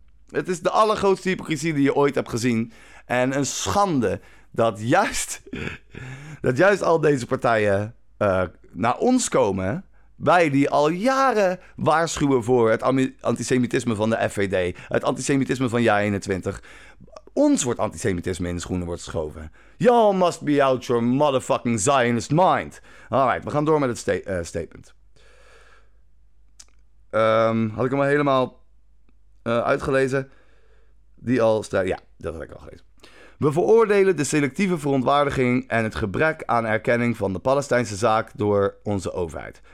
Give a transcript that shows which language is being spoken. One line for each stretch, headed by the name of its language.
Dutch: Het is de allergrootste hypocrisie die je ooit hebt gezien. En een schande dat juist al deze partijen naar ons komen. Wij die al jaren waarschuwen voor het antisemitisme van de FVD, het antisemitisme van Jaar 21. Ons wordt antisemitisme in de schoenen wordt geschoven.
English: Y'all must be out your motherfucking Zionist mind.
Dutch: Alright, we gaan door met het statement. Had ik hem al helemaal uitgelezen? Die al staat. Ja, dat had ik al gelezen. We veroordelen de selectieve verontwaardiging en het gebrek aan erkenning van de Palestijnse zaak door onze overheid.